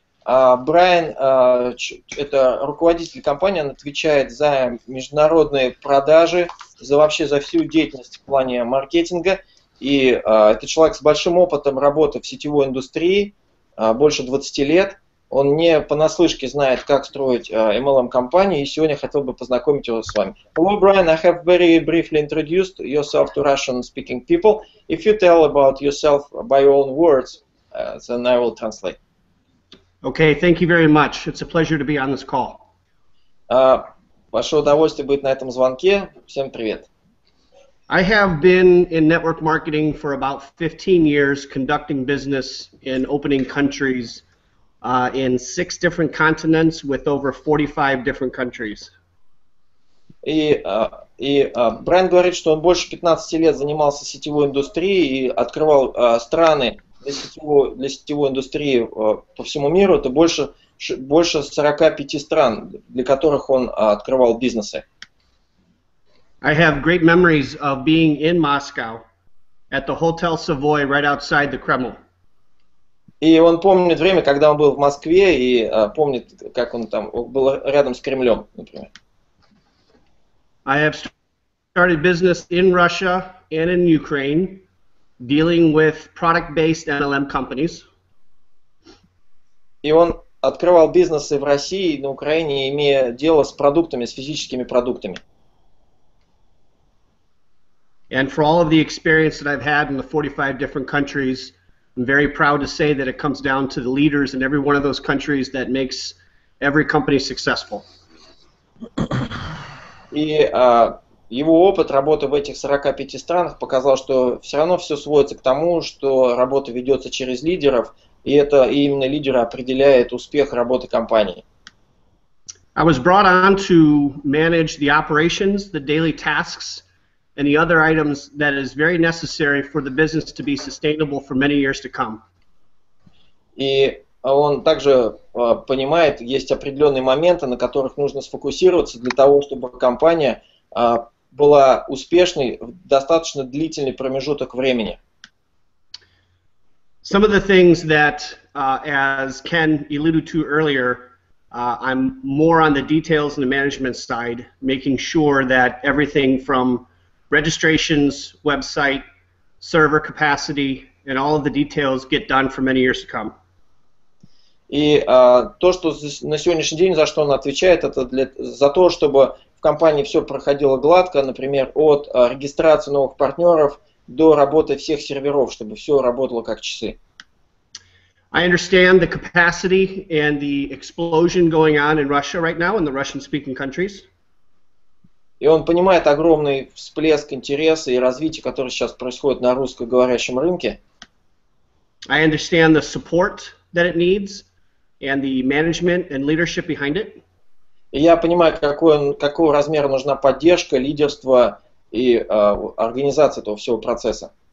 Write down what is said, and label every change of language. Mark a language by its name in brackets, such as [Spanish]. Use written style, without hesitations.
[Russian] Брайан – это руководитель компании, он отвечает за международные продажи, за вообще за всю деятельность в плане маркетинга. И это человек с большим опытом работы в сетевой индустрии, больше 20 лет. Он не понаслышке знает, как строить MLM-компанию, и сегодня хотел бы познакомить его с вами. [English] Hello, Brian. I have very briefly introduced yourself to Russian-speaking people. If you tell about yourself by your own words, then I will translate. Okay, thank you very much. It's a pleasure to be on this call. [Russian] Большое удовольствие быть на этом звонке. Всем привет. [English] I have been in network marketing for about 15 years, conducting business in opening countries in 6 different continents with over 45 different countries. [Russian] Брайан говорит, что он больше 15 лет занимался сетевой индустрией и открывал страны для сетевой индустрии по всему миру. Это больше 45 стран, для которых он открывал бизнесы. [English] I have great memories of being in Moscow at the Hotel Savoy right outside the Kremlin. [Russian] И он помнит время, когда он был в Москве, и помнит, как он там был рядом с Кремлем, например. [English] I have started business in Russia and in Ukraine, dealing with product-based MLM companies. [Russian] И он открывал бизнесы в России и на Украине, имея дело с продуктами, с физическими продуктами. [English] And for all of the experience that I've had in the 45 different countries, I'm very proud to say that it comes down to the leaders in every one of those countries that makes every company successful. [Russian] И его опыт работы в этих 45 странах показал, что все равно все сводится к тому, что работа ведется через лидеров, и это и именно лидеры определяют успех работы компании. [English] I was brought on to manage the operations, the daily tasks, and the other items that is very necessary for the business to be sustainable for many years to come. [Russian] И он также понимает, есть определенные моменты, на которых нужно сфокусироваться для того, чтобы компания была успешной в достаточно длительный промежуток времени. [English] Some of the things that, as Ken alluded to earlier, I'm more on the details and the management side, making sure that everything from registrations, website, server capacity, and all of the details get done for many years to come. [Russian] И то, что на сегодняшний день, за что он отвечает, это за то, чтобы в компании все проходило гладко, например, от регистрации новых партнеров до работы всех серверов, чтобы все работало как часы. [English] I understand the capacity and the explosion going on in Russia right now, in the Russian-speaking countries. [Russian] И он понимает огромный всплеск интереса и развития, который сейчас происходит на русскоговорящем рынке. [English] I understand the support that it needs and the management and leadership behind it. [Russian] И я понимаю, какого размера нужна поддержка, лидерство и организация этого всего процесса.